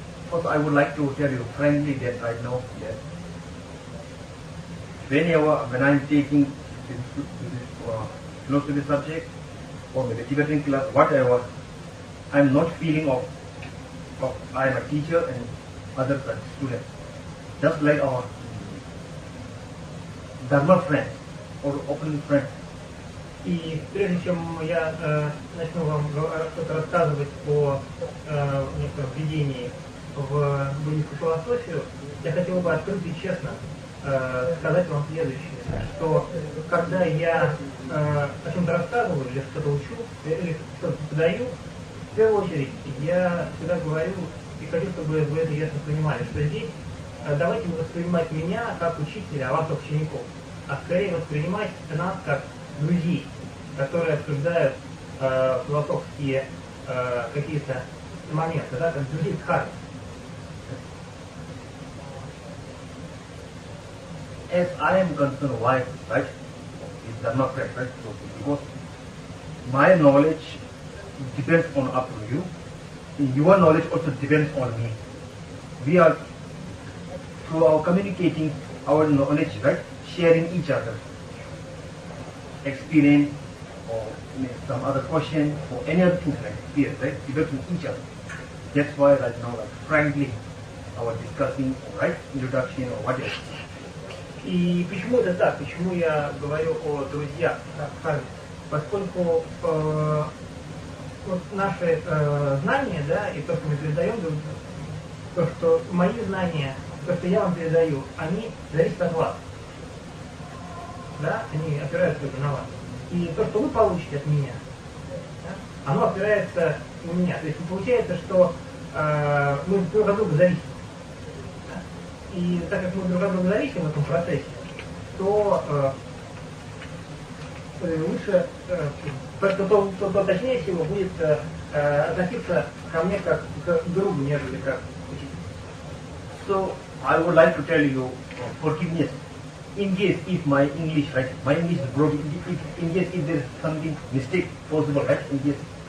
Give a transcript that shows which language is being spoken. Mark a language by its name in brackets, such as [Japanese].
[English] First, I would like to tell you frankly that right now, yes, when I'm taking this philosophy subject, or the Tibetan class, whatever, I'm not feeling of I'm a teacher and others are students. Just like our Dharma friends, or open friends. [Russian] И прежде чем я начну вам что-то рассказывать о некотором введении в буддийскую философию, я хотел бы открыто и честно сказать вам следующее, что когда я о чем-то рассказываю, или что-то учу, или что-то подаю, в первую очередь я всегда говорю и хочу, чтобы вы это ясно понимали, что здесь давайте воспринимать меня как учителя, а вас как учеников, а скорее воспринимать нас как друзей, которые обсуждают философские какие-то моменты, да, как друзей дхармы. [English] As I am concerned, why, right, is Dharma correct, right, so, because my knowledge depends on upon you, and your knowledge also depends on me. We are, through our communicating our knowledge, right, sharing each other, experience, or some other question, or any other things like fear, right, developing each other. That's why right now, like, frankly, our discussing, right, introduction, or whatever. [Russian] И почему это так? Почему я говорю о друзьях? Поскольку вот наши знания, да, и то, что мы передаем, то, что мои знания, то, что я вам передаю, они зависят от вас. Да, они опираются только на вас. И то, что вы получите от меня, да, оно опирается на меня. То есть получается, что мы друг от друга зависим. И так как мы друг от друга зависим в этом процессе, то лучше, то точнее всего будет относиться ко мне как к другу, нежели как к учителю. [English] So, I would like to tell you forgiveness. In case if my English, right, my English is broken, in case if there is something mistake possible, right, in case.